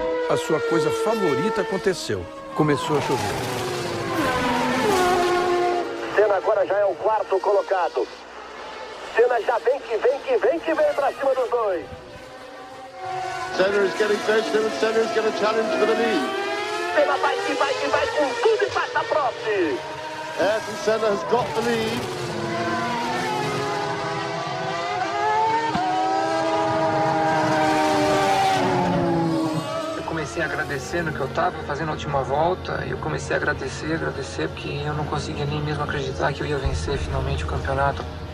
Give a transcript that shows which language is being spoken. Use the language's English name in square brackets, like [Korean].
[Portuguese] A sua coisa favorita aconteceu. Começou a chover. Senna agora já é o quarto colocado. Senna já vem que vem, que vem, que vem para cima dos dois. [English] Senna is getting closer and Senna is going to challenge for the lead. [Portuguese] Senna vai, que vai, que vai com tudo e passa a prova. [English] Ayrton Senna has got the lead. [Portuguese] Comecei agradecendo que eu estava fazendo a última volta. Eu comecei a agradecer, porque eu não conseguia nem mesmo acreditar que eu ia vencer finalmente o campeonato.